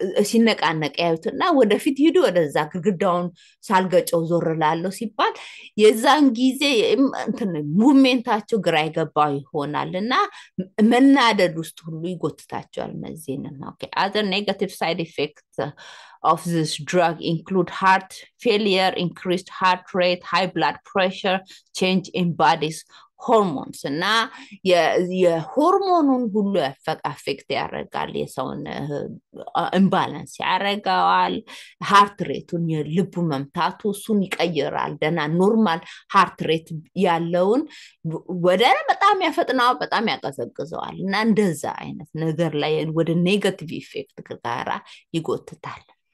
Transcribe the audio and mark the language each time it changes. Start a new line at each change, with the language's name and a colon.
Amharic: ሲነቃነቅ ያዩት እና ወደፊት ሂዱ ወደዛ ግድግዳውን ሳልገጨው ዞር ላለው ሲባል የዛን ጊዜ ሙቭሜንታቸው ግራ ይገባ ይሆናል እና መናደድ ውስጥ ሁሉ ይጎትታቸዋል። መዚህን ነው
English: ኦኬ አዘር ኔጋቲቭ ሳይድ ኢፌክት of this drug include heart failure, increased heart rate, high blood pressure, change in body's hormones.
Amharic: እና የሆርሞኑን ሁሉ አፌክት ያደርጋል። የሰውን ኢምባላንስ ያደርጋል። ሃርት ሬቱን፣ የልቡ መምታቱ እሱን ይቀይራል። ደና ኖርማል ሃርት ሬት ያለውን ወደ በጣም ያፈጥነዋል፣ በጣም ያቀዘቅዘዋል። እና እንደዛ አይነት ነገር ላይ ወደ ኔጋቲቭ ኢፌክት ጋራ ይጎትታል።